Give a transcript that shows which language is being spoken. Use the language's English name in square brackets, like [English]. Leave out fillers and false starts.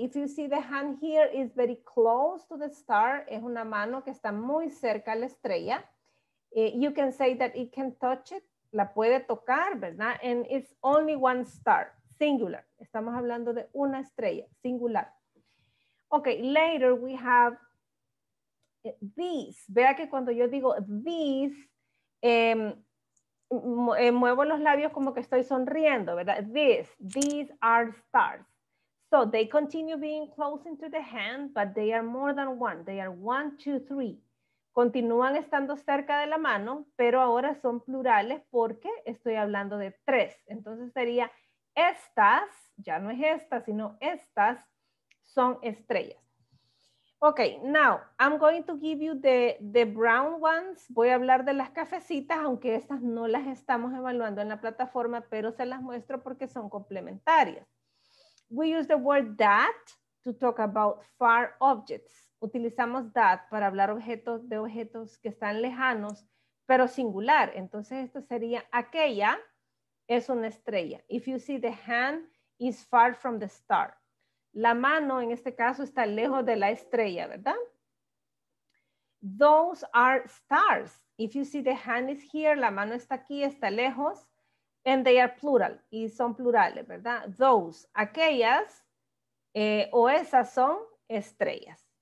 [English] If you see the hand here, it's very close to the star. [Spanish] Es una mano que está muy cerca a la estrella. [English] You can say that it can touch it. [Spanish] La puede tocar, ¿verdad? [English] And it's only one star, singular. [Spanish] Estamos hablando de una estrella, singular. [English] Okay, later we have these. [Spanish] Vea que cuando yo digo these, muevo los labios como que estoy sonriendo, ¿verdad? [English] These are stars. So they continue being close into the hand, but they are more than one. They are 1, 2, 3. [Spanish] Continúan estando cerca de la mano, pero ahora son plurales porque estoy hablando de 3. Entonces sería estas, ya no es estas, sino estas son estrellas. [English] Ok, now I'm going to give you the brown ones. [Spanish] Voy a hablar de las cafecitas, aunque estas no las estamos evaluando en la plataforma, pero se las muestro porque son complementarias. [English] We use the word that to talk about far objects. [Spanish] Utilizamos that para hablar objetos que están lejanos, pero singular. Entonces esto sería aquella es una estrella. [English] If you see the hand is far from the star. [Spanish] La mano en este caso está lejos de la estrella, ¿verdad? [English] Those are stars. If you see the hand is here, [Spanish] la mano está aquí, está lejos. [English] And they are plural. [Spanish] Y son plurales, ¿verdad? Those, aquellas o esas son estrellas.